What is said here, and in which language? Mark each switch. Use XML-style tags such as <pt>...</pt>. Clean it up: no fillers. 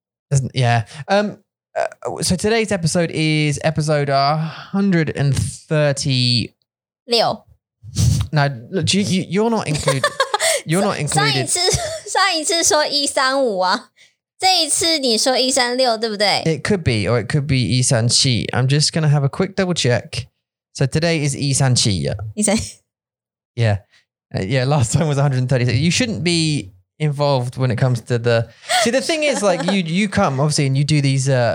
<en>So today's episode is episode 136 Now you're not included You're not included.</en> <zh>上一次说135啊，这一次你说136，对不对？</zh> <en>It could be, or it could be 137. I'm just going to have a quick double check. So today is 137, yeah. 137. Yeah. Yeah, last time was 136. You shouldn't be involved when it comes to the... See, the thing is, like, you come, obviously, and you do these...</en>